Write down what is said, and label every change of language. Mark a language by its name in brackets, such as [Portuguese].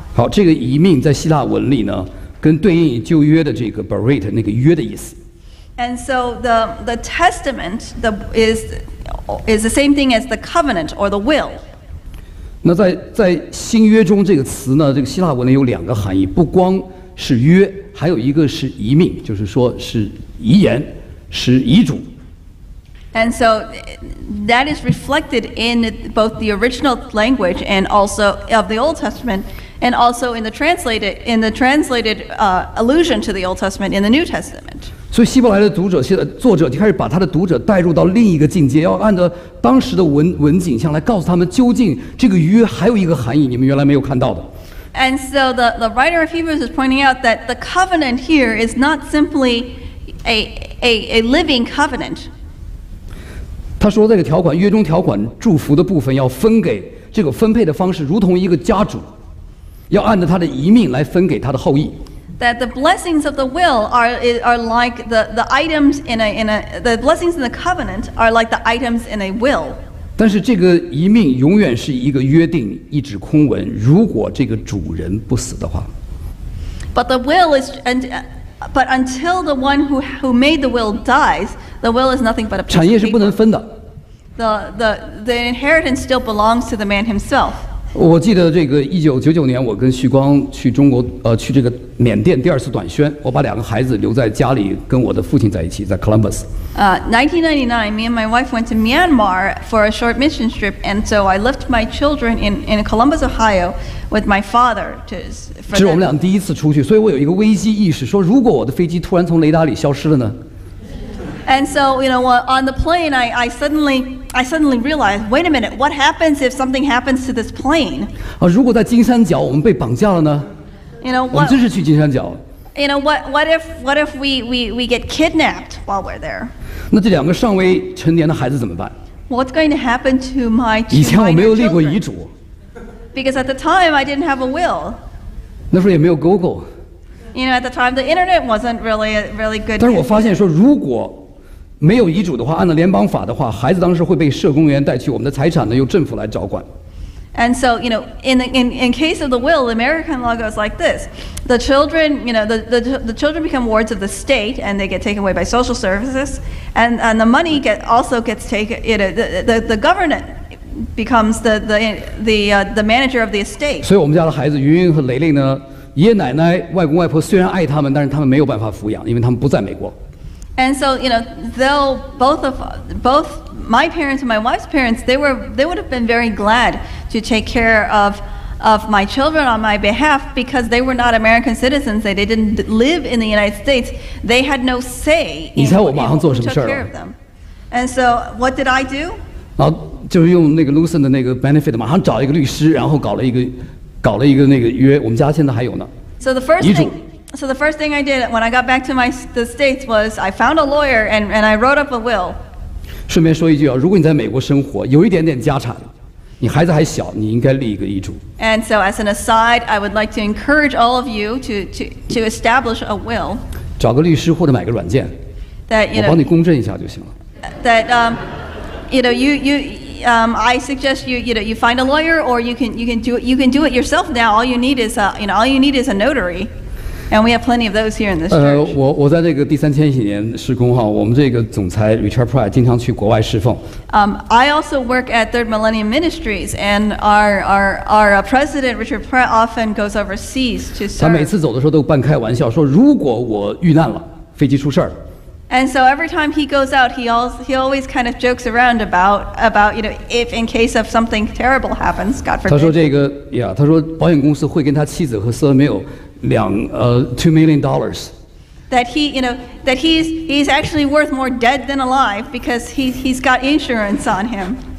[Chinese] 好，这个遗命在希腊文里呢，跟对应旧约的这个 berit 那个约的意思。 [English] And so the testament is the same thing as the covenant or the will. [Chinese] 那在新约中这个词呢，这个希腊文呢有两个含义，不光是约，还有一个是遗命，就是说是遗言，是遗嘱。 [English] And so that is reflected in both the original language and also of the Old Testament, and also in the translated allusion to the Old Testament in the New Testament. [Chinese] 所以希伯来的读者，现在作者就开始把他的读者带入到另一个境界，要按照当时的文景象来告诉他们，究竟这个约还有一个含义，你们原来没有看到的。 [English] And so the writer of Hebrews is pointing out that the covenant here is not simply a living covenant. [Chinese] 他说这个条款，约中条款祝福的部分要分给这个分配的方式，如同一个家主，要按照他的遗命来分给他的后裔。 [English] That the blessings of the will are like the items in a the blessings in the covenant are like the items in a will. [Chinese] 但是这个遗命永远是一个约定，一纸空文。如果这个主人不死的话 [English] ，But the will is and but until the one who made the will dies, the will is nothing but a [Chinese] 产业是不能分的。 [English] The inheritance still belongs to the man himself. [Chinese] 我记得这个1999年，我跟旭光去中国，去这个缅甸第二次短宣，我把两个孩子留在家里，跟我的父亲在一起，在 Columbus。 [English] 1999, me and my wife went to Myanmar for a short mission trip, and so I left my children in Columbus, Ohio, with my father to. [Chinese] 这是我们俩第一次出去，所以我有一个危机意识，说如果我的飞机突然从雷达里消失了呢？ [English] And so, you know, on the plane, I suddenly realized, wait a minute, what happens if something happens to this plane? [Chinese] 如果在金三角我们被绑架了呢？ [English] You know, [Chinese] 我们真是去金三角。 [English] You know, what if we get kidnapped while we're there? [Chinese] 那这两个尚未成年的孩子怎么办？ [English] What's going to happen to my children? [Chinese] 以前我没有立过遗嘱。 [English] Because at the time, I didn't have a will. [Chinese] 那时候也没有 Google。 [English] You know, at the time, the internet wasn't really good. [Chinese] 但是我发现说，如果没有遗嘱的话，按照联邦法的话，孩子当时会被社工员带去，我们的财产呢由政府来照管。 [English] And so, you know, in case of the will, the American law goes like this: the children, you know, the children become wards of the state, and they get taken away by social services, and the money gets taken. You know, the government becomes the manager of the estate. [Chinese] 所以我们家的孩子云云和雷雷呢，爷爷奶奶、外公外婆虽然爱他们，但是他们没有办法抚养，因为他们不在美国。 [English] And so, you know, though both my parents and my wife's parents, they would have been very glad to take care of my children on my behalf because they were not American citizens. They didn't live in the United States. They had no say in who took care of them. And so what did I do? [Chinese] 然后就是用那个 Lucent 的那个 benefit 马上找一个律师，然后搞了一个那个约，我们家现在还有呢。 [English] So the first thing I did when I got back to the States was I found a lawyer and I wrote up a will. [Chinese] 顺便说一句啊，如果你在美国生活，有一点点家产，你孩子还小，你应该立一个遗嘱。 [English] And so as an aside, I would like to encourage all of you to establish a will. [Chinese] 找个律师或者买个软件。我帮你公证一下就行了。 [English] I suggest you find a lawyer or you can do it yourself now. All you need is a notary. And we have plenty of those here in this church. [Chinese] 我在那个第三千禧年施工哈，我们这个总裁 Richard Pryor 经常去国外侍奉。 [English] I also work at Third Millennium Ministries and our president Richard Pryor often goes overseas to serve. [Chinese] 他每次走的时候都半开玩笑说，如果我遇难了，飞机出事儿。 [English] And so every time he goes out, he always kind of jokes around about you know, if in case of something terrible happens, God forbid. [Chinese] 他说这个呀， yeah, 他说保险公司会跟他妻子和孙没有两$2 million。 [English] That he, you know, that he's actually worth more dead than alive because he's got insurance on him.